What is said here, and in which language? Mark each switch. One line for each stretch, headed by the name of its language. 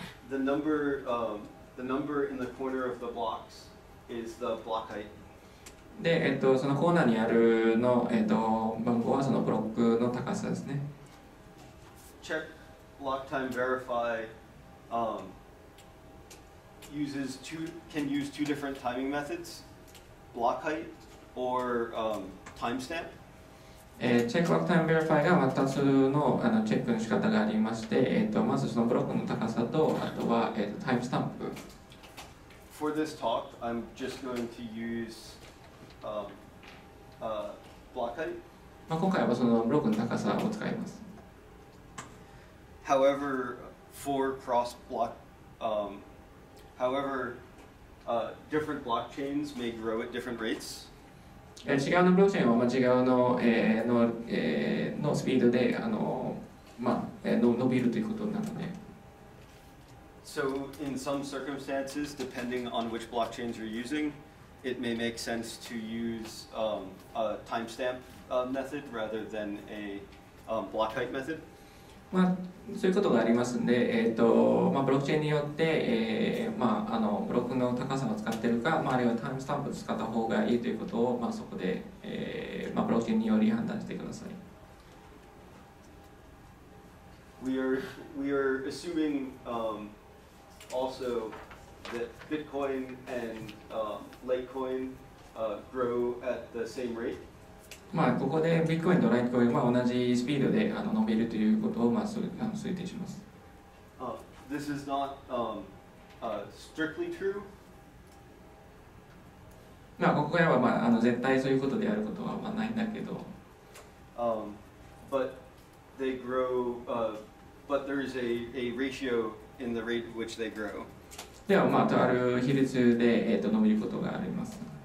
English: The number in the corner of the blocks is the block height.
Japanese: で、そのコーナーにあるの、番号はそのブロックの高さですね。
English: Check lock time verify, can use two different timing methods. Block height or timestamp.
Japanese: Check lock time verify が2つのチェックの仕方がありまして、まずそのブロックの高さとあとは、タイムスタンプ。
English: For this talk, I'm just going to use block height.
Japanese: 今回はそのブロックの高さを使います。
English: However, for cross block, different blockchains may grow at different rates.
Japanese: 違うのブロックチェーンは違うの、のスピードで伸びるということなので。
English: So in some circumstances, depending on which blockchains you're using, it may make sense to use a timestamp method rather than a block height method.
Japanese: まあ、そういうことがありますので、まあ、ブロックチェーンによって、まあ、あのブロックの高さを使っているか、まあ、あるいはタイムスタンプを使った方がいいということを、まあ、そこで、まあ、ブロックチェーンにより判断してください。
English: We are assuming also that Bitcoin and Litecoin grow at the same rate.
Japanese: まあここでビットコインとライトコインは同じスピードで伸びるということをまあ推定します。
English: This is not strictly true.
Japanese: まあここからはまあ絶対そういうことであることはまあないんだけど。
English: But they grow. But there is a ratio in the rate which they grow.
Japanese: ではまあとある比率で伸びることがあります。